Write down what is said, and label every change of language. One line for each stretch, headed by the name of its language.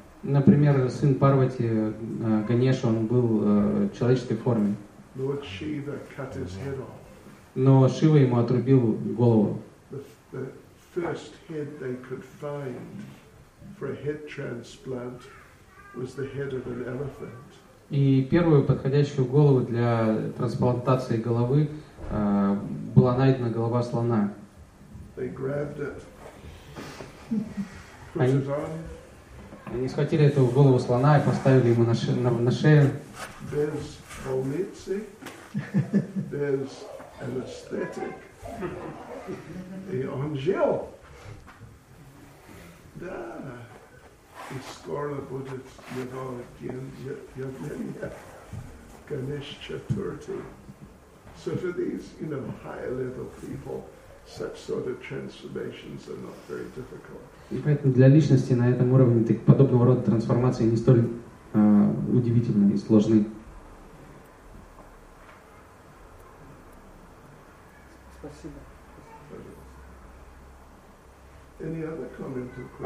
Russian: Например, сын Парвати, Ганеш, он был в человеческой форме.
English: Lord Shiva cut his head off.
Russian: Но Шива ему отрубил голову.
English: The first head they could find for a head transplant was the head of an elephant.
Russian: И первую подходящую голову для трансплантации головы была найдена голова слона.
English: They grabbed it.
Russian: Они схватили эту голову слона и поставили ему на шею.
English: There's
Russian: полиции,
English: there's anesthetic,
Russian: и он жил. Да, и скоро будет его явление, Ганеш Чатурти.
English: So for these, you know, high-level people, such sort of transformations are not very difficult.
Russian: И поэтому для личности на этом уровне так, подобного рода трансформации не столь удивительны и сложны. Спасибо.
English: Any other comment or question?